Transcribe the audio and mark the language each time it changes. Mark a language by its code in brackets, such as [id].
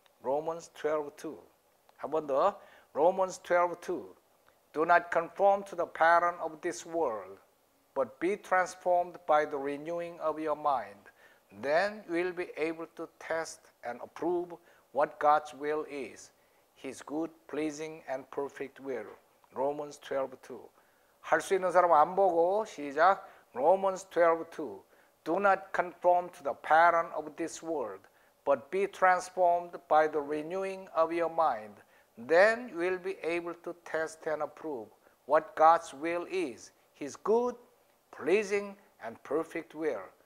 [en] Romans 12:2 [ko] 한 번 더. [en] Romans 12:2 Do not conform to the pattern of this world, but be transformed by the renewing of your mind. Then we'll be able to test and approve what God's will is, His good, pleasing, and perfect will. Romans 12:2. [ko] 할 수 있는 사람 안 보고 시작. [en] Romans 12:2. Do not conform to the pattern of this world, but be transformed by the renewing of your mind. Then we'll be able to test and approve what God's will is, His good, pleasing, and perfect will.